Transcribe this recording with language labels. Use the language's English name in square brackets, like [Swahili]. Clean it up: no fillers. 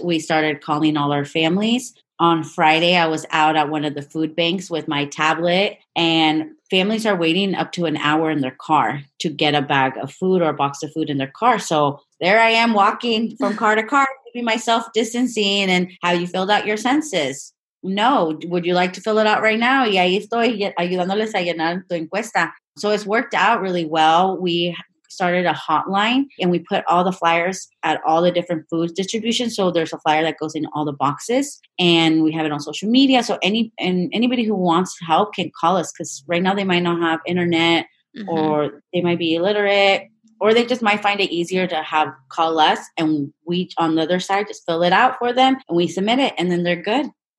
[English] We started calling all our families. On Friday, I was out at one of the food banks with my tablet, and families are waiting up to an hour in their car to get a bag of food or a box of food in their car. So there I am walking from car to car, keeping myself distancing. And how you filled out your census? No. Would you like to fill it out right now? [Spanish] Y ahí estoy ayudándoles a llenar tu encuesta. [English] So it's worked out really well. We started a hotline, and we put all the flyers at all the different food distributions. So there's a flyer that goes in all the boxes, and we have it on social media. So anybody who wants help can call us, because right now they might not have internet, mm-hmm. or they might be illiterate, or they just might find it easier to have call us, and we on the other side just fill it out for them and we submit it, and then they're good.